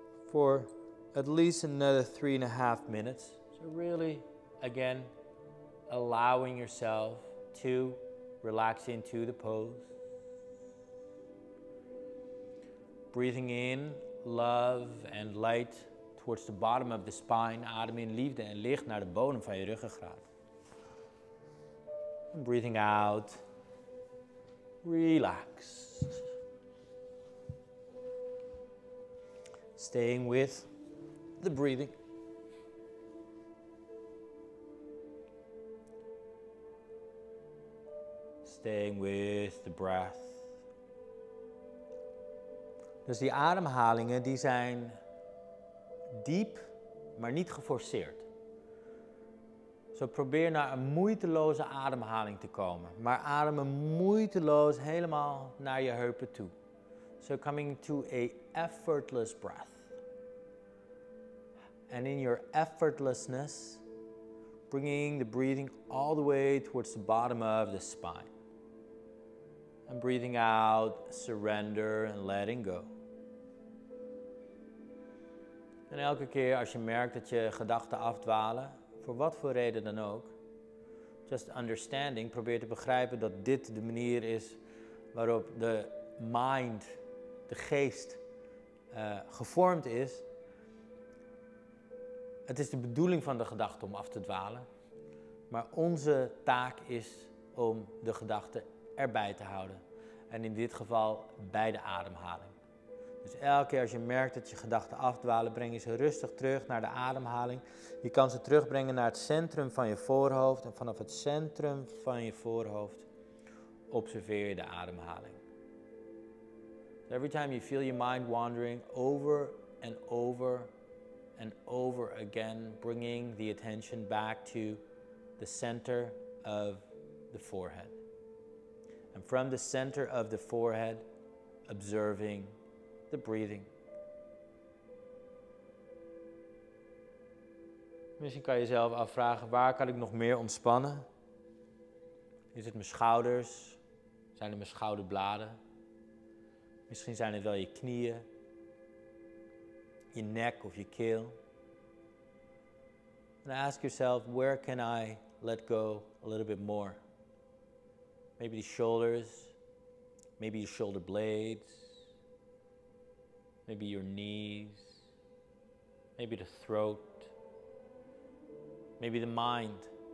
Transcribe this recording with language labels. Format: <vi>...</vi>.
<en>For at least another 3.5 minutes. So really, again, allowing yourself to relax into the pose. Breathing in love and light towards the bottom of the spine.</en> <nl>Adem in liefde en licht naar de bodem van je ruggengraat.</nl> <en>Breathing out. Relax. Staying with the breathing. Staying with the breath.</en> <nl>Dus die ademhalingen die zijn diep, maar niet geforceerd. Zo probeer naar een moeiteloze ademhaling te komen. Maar adem moeiteloos helemaal naar je heupen toe.</nl> <en>So coming to a effortless breath. And in your effortlessness, bringing the breathing all the way towards the bottom of the spine. And breathing out, surrender and letting go.</en> <nl>En elke keer als je merkt dat je gedachten afdwalen, voor wat voor reden dan ook,</nl> <en>just understanding,</en> <nl>probeer te begrijpen dat dit de manier is waarop de mind, de geest, gevormd is. Het is de bedoeling van de gedachte om af te dwalen, maar onze taak is om de gedachte erbij te houden. En in dit geval bij de ademhaling. Dus elke keer als je merkt dat je gedachten afdwalen, breng je ze rustig terug naar de ademhaling. Je kan ze terugbrengen naar het centrum van je voorhoofd. En vanaf het centrum van je voorhoofd observeer je de ademhaling.</nl> <en>Every time you feel your mind wandering over and over and over again, bringing the attention back to the center of the forehead. And from the center of the forehead, observing the breathing.</en> <nl>Misschien kan je jezelf afvragen, waar kan ik nog meer ontspannen? Is het mijn schouders? Zijn het mijn schouderbladen? Misschien zijn het wel je knieën, je nek of je keel.</nl> <en>And ask yourself, where can I let go a little bit more? Maybe the shoulders, maybe your shoulder blades, maybe your knees, maybe the throat, maybe the mind.</en>